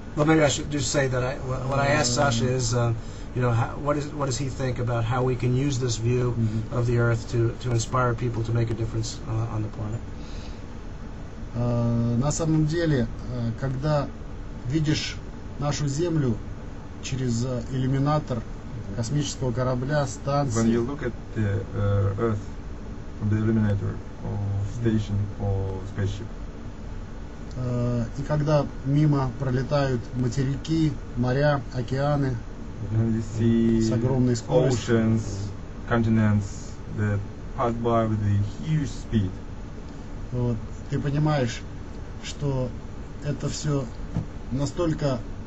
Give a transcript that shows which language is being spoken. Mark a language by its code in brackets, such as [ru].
[en] Well, maybe I should just say that I asked Sasha is, what does he think about how we can use this view mm-hmm. of the Earth to inspire people to make a difference on the planet? [ru] На самом деле, когда видишь нашу Землю через иллюминатор космического корабля, станции. [en] When you look at the Earth from the illuminator of station or spaceship. [ru] И когда мимо пролетают материки, моря, океаны с огромной скоростью, [en] oceans, continents that pass by with a huge speed. [ru] Вот, ты понимаешь, что это все настолько